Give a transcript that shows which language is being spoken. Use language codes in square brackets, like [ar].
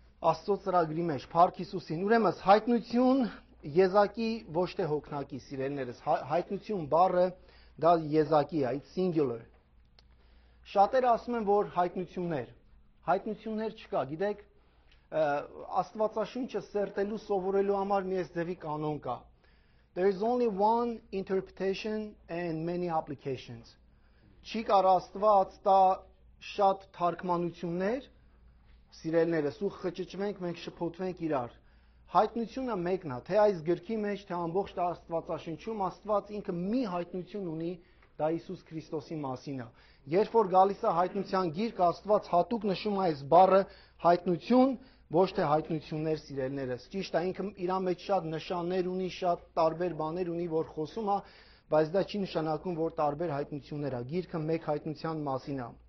[hy] Աստծո ծրագրի մեջ, Փառք Հիսուսին։ Ուրեմն հայտնություն եզակի ոչ թե հոգնակի, սիրելիներս, հայտնություն բառը դա եզակի է, [en] it's singular։ [hy] Շատերը ասում են, որ հայտնություններ, հայտնություններ չկա, գիտեք, Աստվածաշունչը սերտելու, սովորելու համար մի այս ձևի կանոն կա. [en] There is only one interpretation and many applications. [hy] Չի կար Աստված տա շատ թարգմանություններ, սիրելիներս, ու խճճմենք, մենք շփոթվենք իրար։ Հայտնությունը մեկն է, թե այս գրքի մեջ, թե ամբողջ Աստվածաշնչում Աստված ինքը մի հայտնություն ունի, դա Հիսուս Քրիստոսի մասին է։ Երբ որ գալիս է հայտնության գիրք, Աստված հատուկ նշում է այս բառը հայտնություն, ոչ թե հայտնություններ, սիրելիներս։ Ճիշտ է, ինքը իր մեջ շատ նշաններ ունի, շատ տարբեր բաներ ունի, որ խոսում է, բայց դա չի նշանակում, որ տարբեր հայտնություններ է։ Գիրքը մեկ հայտնության մասին է։